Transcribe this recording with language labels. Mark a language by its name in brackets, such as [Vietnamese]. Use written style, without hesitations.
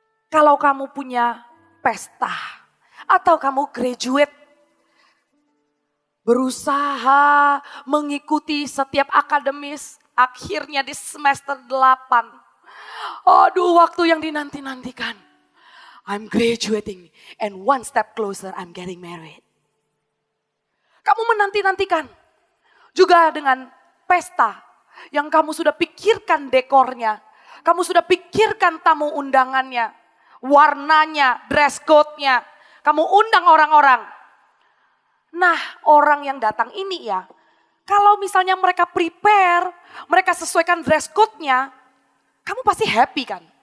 [Indonesian] Kalau kamu punya pesta, atau kamu graduate, berusaha mengikuti setiap akademis, akhirnya di semester 8. Aduh, waktu yang dinanti-nantikan. [English] I'm graduating and one step closer I'm getting married. [Indonesian] Kamu menanti-nantikan juga dengan pesta yang kamu sudah pikirkan dekornya. Kamu sudah pikirkan tamu undangannya, warnanya, dress code-nya. Kamu undang orang-orang. Nah, orang yang datang ini ya, kalau misalnya mereka prepare, mereka sesuaikan dress code-nya, kamu pasti happy kan?